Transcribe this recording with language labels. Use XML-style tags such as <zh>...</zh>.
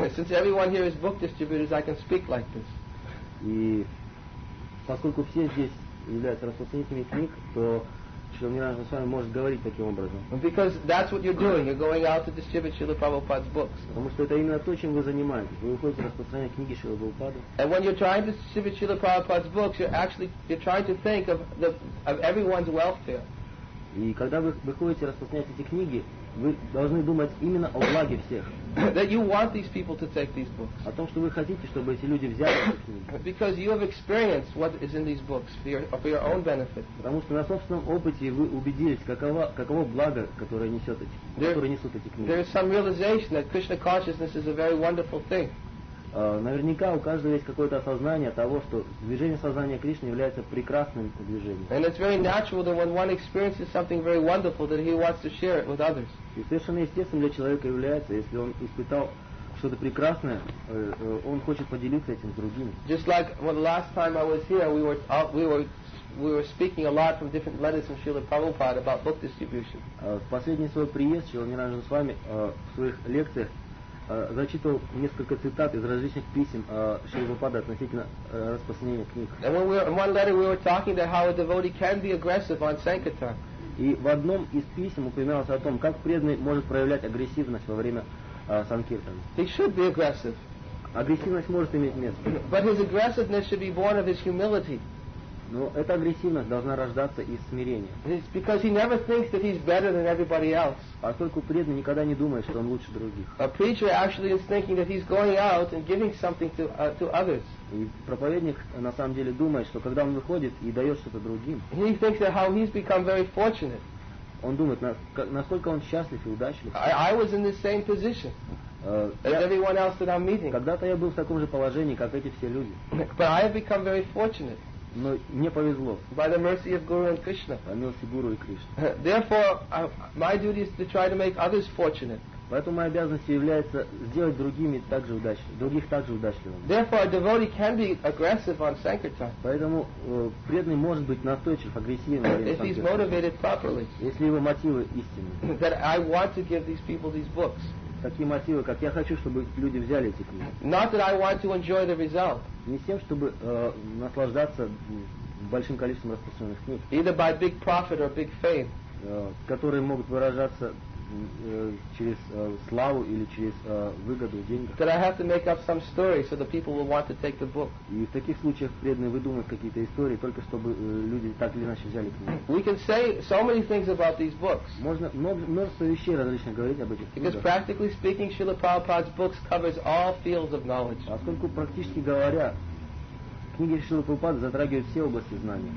<en>Since everyone here is book distributors, I can speak like this.</en> <ru>И поскольку все здесь являются распространителями книг, то Шрила Нирандж с вами может говорить таким образом.</ru> <en>Because that's what you're doing. You're going out to distribute Srila Prabhupada's books.</en> <ru>Потому что это именно то, чем вы занимаетесь. Вы выходите распространять книги Шрила Прабхупады.</ru> <en>And when you're trying to distribute Srila Prabhupada's books, you're trying to think of everyone's welfare.</en> <ru>И когда вы выходите распространять эти книги, вы должны думать именно о благе всех.</ru> <en>That you want these people to take these books.</en> <ru>О том, что вы хотите, чтобы эти люди взяли эти книги.</ru> <en>Because you have experienced what is in these books for your own benefit.</en> <ru>Потому что на собственном опыте вы убедились, каково благо, которое несут эти книги.</ru> <en>There is some realization that Krishna consciousness is a very wonderful thing.</en> <ru>Наверняка у каждого есть какое-то осознание того, что движение сознания Кришны является прекрасным движением.</ru> <en>And it's very natural that when one experiences something very wonderful, that he wants to share it with others.</en> <ru>И совершенно естественным для человека является, если он испытал что-то прекрасное, он хочет поделиться этим с другими.</ru> <en>Just like when the last time I was here, we were speaking a lot from different letters from Srila Prabhupada about book distribution.</en> <ru>В последний свой приезд Шрила Ниранджан с вами в своих лекциях зачитывал несколько цитат из различных писем Шрилы Прабхупады относительно распространения книг.</ru> <en>And one letter we were talking about how a devotee can be aggressive on sankirtan.</en> <ru>И в одном из писем упоминалось о том, как преданный может проявлять агрессивность во время санкиртана.</ru> <en>He should be aggressive.</en> <ru>Агрессивность может иметь место.</ru> <en>But his aggressiveness should be born of his humility.</en> <ru>Но эта агрессивность должна рождаться из смирения.</ru> <en>It's because he never thinks that he's better than everybody else.</en> <ru>Поскольку преданный никогда не думает, что он лучше других.</ru> <en>A preacher actually is thinking that he's going out and giving something to others.</en> <ru>И проповедник на самом деле думает, что когда он выходит и дает что-то другим.</ru> <en>He thinks that how he's become very fortunate.</en> <ru>Он думает, насколько он счастлив и удачлив.</ru> <en>I was in the same position. As everyone else that I'm meeting.</en> <ru>Когда-то я был в таком же положении, как эти все люди.</ru> <en>But I have become very fortunate.</en> <ru>Но мне повезло.</ru> <en>By the mercy of Guru and Krishna.</en> <ru>По милости Гуру и Кришны.</ru> <en>Therefore, my duty is to try to make others fortunate.</en> <ru>Поэтому моя обязанность является сделать другими также удачливыми, других также удачливыми.</ru> <en>Therefore, a devotee can be aggressive on sankirtan.</en> <ru>Поэтому преданный может быть настойчив, агрессивным.</ru> <en>If he's motivated properly.</en> <ru>Если его мотивы истинны.</ru> <en>That I want to give these people these books.</en> <ru>Такие мотивы, как я хочу, чтобы люди взяли эти книги.</ru> <en>Not that I want to enjoy the result.</en> <ru>Не с тем, чтобы наслаждаться большим количеством распространенных книг.</ru> <en>Either by big profit or big fame.</en> <ru>Которые могут выражаться через славу или через выгоду, деньги.</ru> <en>That I have to make up some story so the people will want to take the book.</en> <ru>И в таких случаях преданные выдумывают какие-то истории, только чтобы люди так или иначе взяли книгу.</ru> <en>We can say so many things about these books.</en> <ru>Можно множество вещей различно говорить об этих книгах.</ru> <en>Because practically speaking, Srila Prabhupada's books covers all fields of knowledge.</en> <ru>Поскольку практически говоря, книги Шрилы Прабхупады затрагивают все области знания.</ru>